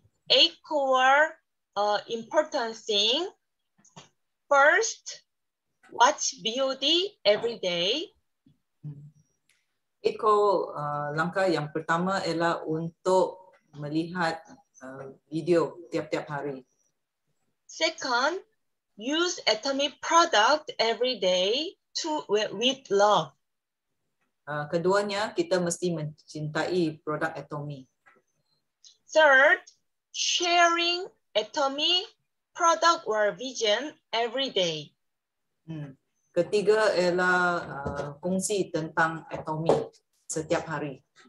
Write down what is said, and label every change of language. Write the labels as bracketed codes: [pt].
[en] 8 core important thing. First, watch BOD every day. [ms] Eko, langkah yang pertama ialah untuk melihat video tiap-tiap hari. [en] Second, use atomic product every day with love. [ms] Keduanya, kita mesti mencintai produk atomi. [en] Third, sharing atomi product or vision every day. [ms] Ketiga ialah kongsi tentang atomi setiap hari.